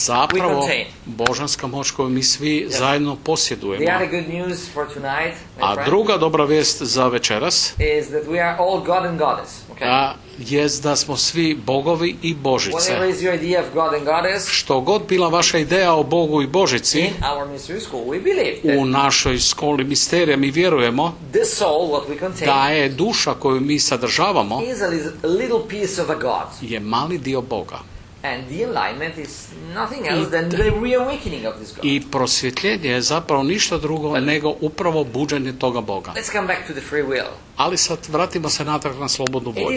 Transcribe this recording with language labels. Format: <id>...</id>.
<hr>Zapravo božanska moć koju mi svi zajedno posjedujemo.</hr> <en>The other good news for tonight,</en> <hr>a druga dobra vijest za večeras</hr> <en>is that we are all God and Goddess.</en> <hr>Okay. Jest da smo svi bogovi i božice.</hr> <en>Whatever is your idea of God and Goddess,</en> <hr>što god bila vaša ideja o Bogu i Božici,</hr> <en>in our mystery school we believe</en> <hr>u našoj školi misterija mi vjerujemo</hr> <en>the soul, what we contain,</en> <hr>da je duša koju mi sadržavamo</hr> <en>is a little piece of a God.</en> <hr>Je mali dio Boga.</hr> <en>And the enlightenment is nothing else than the reawakening of this God.</en> <hr>I prosvjetljenje je zapravo ništa drugo nego upravo buđenje toga Boga.</hr> <en>Let's come back to the free will.</en> <hr>Ali sad vratimo se natrag na slobodnu volju.</hr>